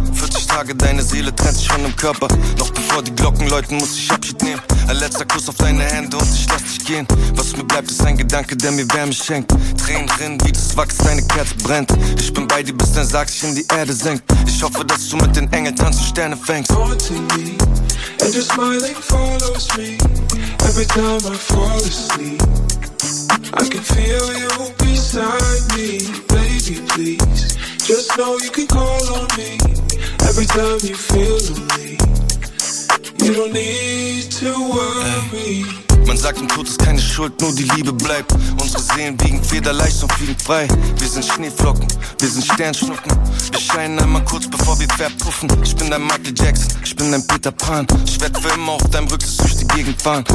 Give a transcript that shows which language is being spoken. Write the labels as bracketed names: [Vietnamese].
[German] 40 Tage, deine Seele trennt sich von dem Körper. Noch bevor die Glocken läuten, muss ich Abschied nehmen. Ein letzter Kuss auf deine Hände und ich lass dich gehen. Was mir bleibt, ist ein Gedanke, der mir Wärme schenkt. Tränen rinnen, wie das Wachs, deine Kerze brennt. Ich bin bei dir, bis dein Sarg sich in die Erde senkt. Ich hoffe, dass du mit den Engeln tanzt und Sterne fängst. [English] And your smiling follows me every time I fall asleep. I can feel you beside me, baby, please. Just know you can call on me every time you feel lonely. You don't need to worry. [German] Man sagt, im Tod ist keine Schuld, nur die Liebe bleibt. Unsere Seelen wiegen federleicht und fliegen frei. Wir sind Schneeflocken, wir sind Sternschnuppen. Wir scheinen einmal kurz, bevor wir verpuffen. Ich bin dein Michael Jackson, ich bin dein Peter Pan. Ich werd für immer auf deinem Rücksitz durch die Gegend fahren.